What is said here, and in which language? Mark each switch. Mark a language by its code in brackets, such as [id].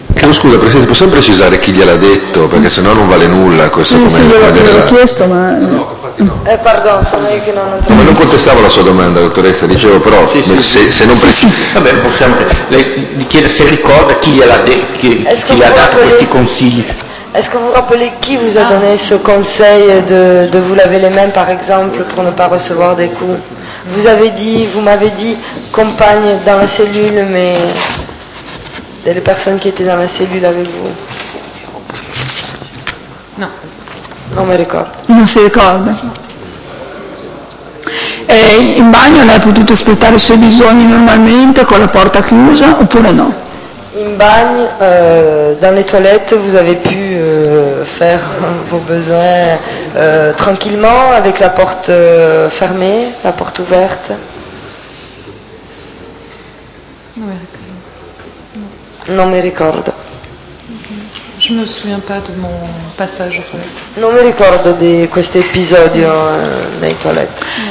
[it] Scusa Presidente, possiamo precisare chi gliel'ha detto? Perché sennò non vale nulla questo come... Sì, gliel'ho chiesto, ma... No, pardon, sono io che non ho... Ma non contestavo la sua domanda, dottoressa, dicevo però... Vabbè, possiamo... Lei mi chiede se ricorda chi gliel'ha chi gli ha dato questi consigli. [fr] Est-ce que vous rappelez qui vous a donné ce conseil de vous laver les mains, par exemple, pour ne pas recevoir des coups? Vous m'avez dit, compagne dans la cellule, mais les personnes qui étaient dans la cellule avec vous. Non. [it] Non me ricordo. Non si ricorda. In bagno lei ha potuto aspettare i suoi bisogni normalmente con la porta chiusa, oppure no? In bagno, [fr] dans les toilettes, vous avez pu faire vos besoins tranquillement avec la porte fermée, la porte ouverte. [it] Non me ricordo. [fr] Je me souviens pas de mon passage aux toilettes. [it] Non me ricordo di questo episodio nei toilettes.